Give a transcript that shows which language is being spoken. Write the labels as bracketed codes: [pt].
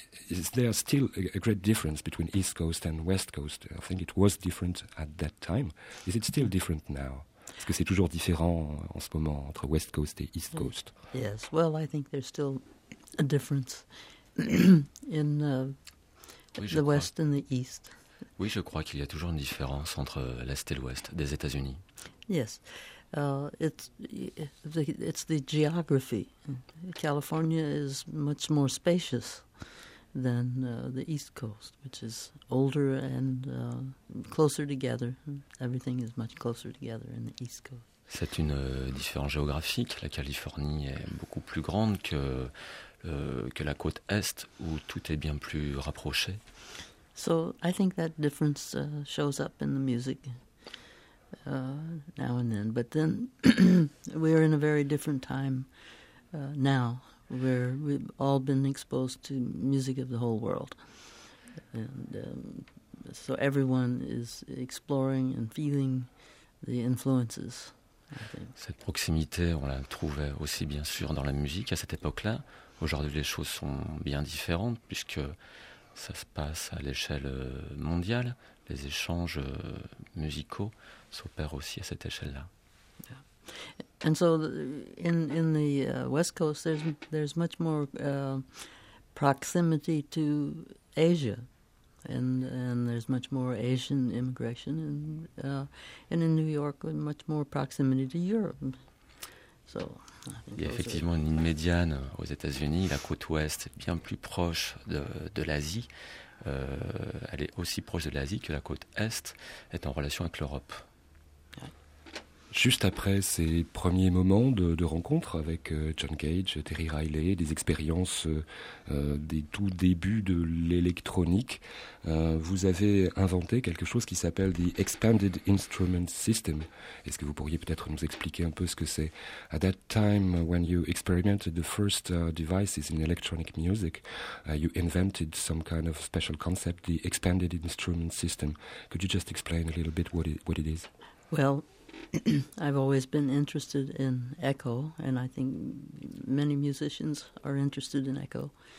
[en] Is there still a great difference between East Coast and West Coast? I think it was different at that time. Is it still different now? [fr] Est-ce que c'est toujours différent en ce moment entre West Coast et East Coast? [en] Yes, well, I think there's still a difference in the West and the East. [fr] Oui, je crois qu'il y a toujours une différence entre l'Est et l'Ouest des États-Unis. [en] Yes. It's the geography. California is much more spacious than the East Coast, which is older and closer together. Everything is much closer together in the East Coast. [fr] C'est une différence géographique. La Californie est beaucoup plus grande que la côte Est, où tout est bien plus rapproché. [en] So I think that difference shows up in the music. Now and then, but then we're in a very different time now, where we've all been exposed to music of the whole world, and so everyone is exploring and feeling the influences, I think. [fr] Cette proximité, on la trouvait aussi bien sûr dans la musique à cette époque-là. Aujourd'hui, les choses sont bien différentes puisque ça se passe à l'échelle mondiale. Les échanges musicaux s'opèrent aussi à cette échelle-là. [en] Yeah. And so in the West Coast, there's much more proximity to Asia, and there's much more Asian immigration, and in New York, much more proximity to Europe. So, [fr] il y a effectivement une ligne médiane aux États-Unis. La côte ouest est bien plus proche de l'Asie. Elle est aussi proche de l'Asie que la côte Est est en relation avec l'Europe. Juste après ces premiers moments de rencontre avec John Cage, Terry Riley, des expériences des tout débuts de l'électronique, vous avez inventé quelque chose qui s'appelle the Expanded Instrument System. Est-ce que vous pourriez peut-être nous expliquer un peu ce que c'est? [en] At that time, when you experimented the first devices in electronic music, you invented some kind of special concept, the Expanded Instrument System. Could you just explain a little bit what it is? Well, I've always been interested in echo, and I think many musicians are interested in echo.